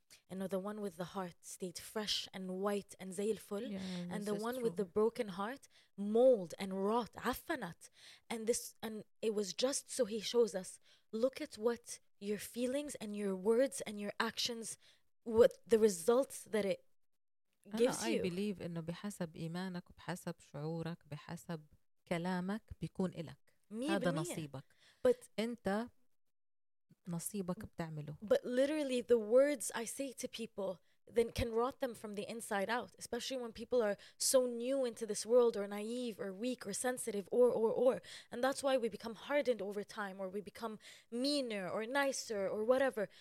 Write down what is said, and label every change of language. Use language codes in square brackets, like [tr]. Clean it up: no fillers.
[en] And the one with the heart stayed fresh and white and zayilful. Yeah, and the one true. With the broken heart, mold and rot, affanat. And this, and it was just so he shows us, look at what your feelings and your words and your actions, what the results that it gives you. I believe in [ar] بحسب إيمانك بحسب شعورك بحسب كلامك بيكون إلك. هذا نصيبك. [en] But [ar] أنت نصيبك بتعمله. [en] But literally the words I say to people then can rot them from the inside out, especially when people are so new into this world or naive or weak or sensitive or. And that's why we become hardened over time, or we become meaner or nicer or whatever.